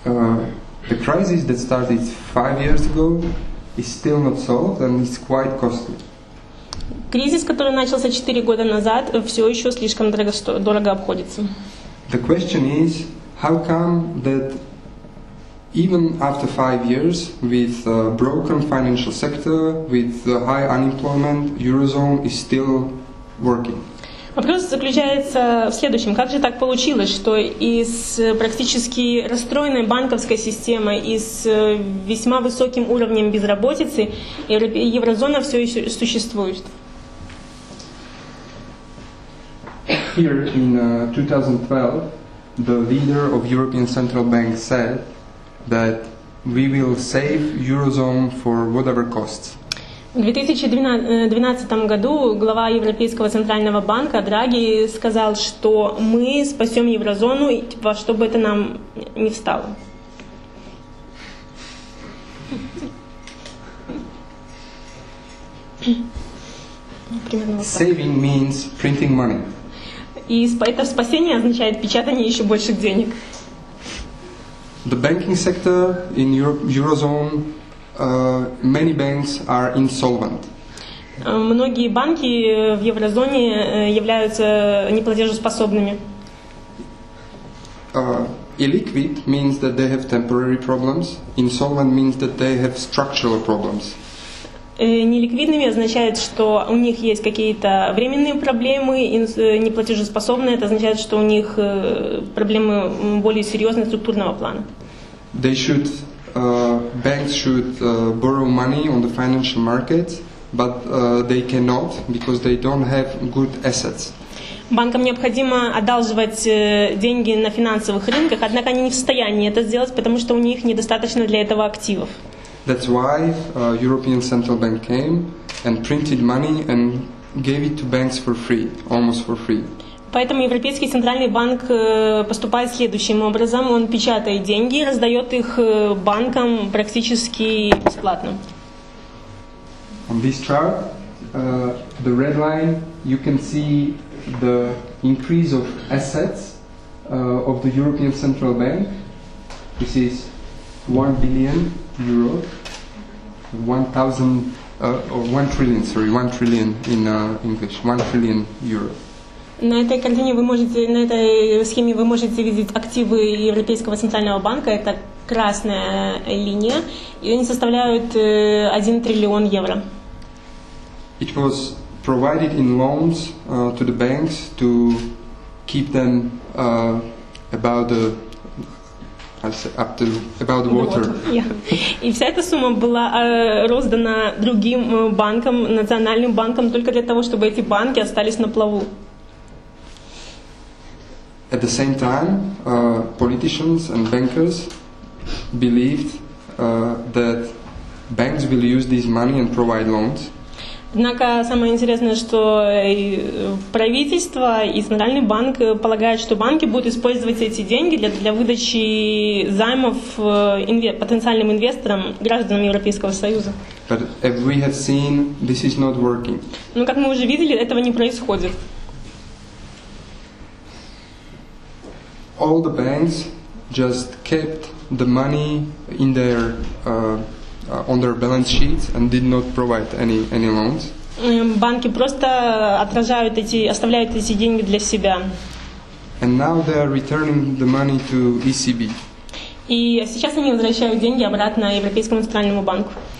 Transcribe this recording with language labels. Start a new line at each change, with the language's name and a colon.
English: So, the crisis that started 5 years ago is still not solved, and it's quite costly.
Russian: Кризис, который начался 4 года назад, все еще слишком дорого обходится.
English: The question is, how come that even after 5 years, with a broken financial sector, with high unemployment, Eurozone is still working.
Russian: Вопрос заключается в следующем. Как же так получилось, что из практически расстроенной банковской системы и с весьма высоким уровнем безработицы Еврозона все еще существует?
English: here in 2012, the leader of European Central Bank said that we will save Eurozone for whatever costs.
Russian: В 2012 году глава Европейского центрального банка Драги сказал, что мы спасем еврозону, во что бы это нам ни встало.
English: Saving means printing money.
Russian: И это спасение означает печатание еще больше денег.
English: The banking sector in Eurozone, many banks are insolvent.
Russian: Многие банки в еврозоне являются неплатежеспособными.
English: Illiquid means that they have temporary problems. Insolvent means that they have structural problems.
Russian: Неликвидными означает, что у них есть какие-то временные проблемы, неплатежеспособные, это означает, что у них проблемы более серьезные структурного плана.
English: They should, banks should borrow money on the financial markets, but they cannot, because they don't have good assets.
Russian: Банкам необходимо одалживать деньги на финансовых рынках, однако они не в состоянии это сделать, потому что у них недостаточно для этого активов.
English: That's why European Central Bank came and printed money and gave it to banks for free, almost for free.
Russian: Поэтому Европейский центральный банк поступает следующим образом: он печатает деньги и раздает их банкам практически бесплатно.
English: On this chart, the red line, you can see the increase of assets of the European Central Bank. This is 1 billion euro. 1,000 1 trillion in English, 1 trillion euro.
Russian: На этой картине вы можете, на этой схеме вы можете видеть активы Европейского центрального банка. Это красная линия, и они составляют 1 trillion евро.
English: It was provided in loans to the banks to keep them about the. About the water.
Russian: И вся эта сумма была роздана другим банкам, национальным банкам, только для того, чтобы эти банки остались на плаву.
English: At the same time, politicians and bankers believed that banks will use this money and provide loans.
Russian: Однако самое интересное, что правительство и Центральный банк полагают, что банки будут использовать эти деньги для выдачи займов потенциальным инвесторам, гражданам Европейского Союза.
English: But as we have seen, this is not working.
Russian: Но как мы уже видели, этого не происходит.
English: All the banks just kept the money in their on their balance sheets and did not provide any loans.
Russian: Банки просто отражают эти, оставляют эти деньги для себя.
English: And now they are returning the money to ECB.
Russian: И сейчас они возвращают деньги обратно Европейскому центральному банку.